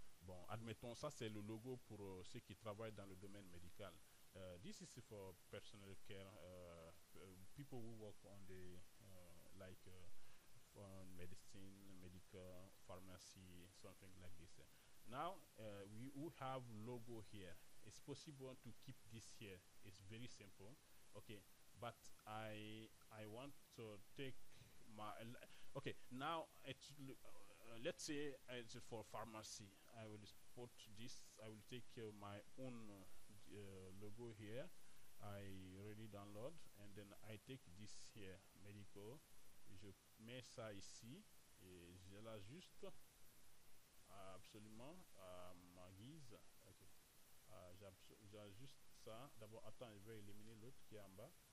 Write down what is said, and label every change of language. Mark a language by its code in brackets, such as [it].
[fr] Bon, admettons, ça c'est le logo pour ceux qui travaillent dans le domaine médical. [en] This is for personal care, people who work on the on medicine, medical, pharmacy, something like this. Now we have logo here. It's possible to keep this here. It's very simple. Okay, but I want to take my okay, now it's let's say it's for pharmacy. I will put this. I will take my own logo here. I already download, and then I take this here, medical. [fr] Je mets ça ici et je l'ajuste absolument à ma guise. Okay. J'ajuste ça. D'abord, attends, je vais éliminer l'autre qui est en bas.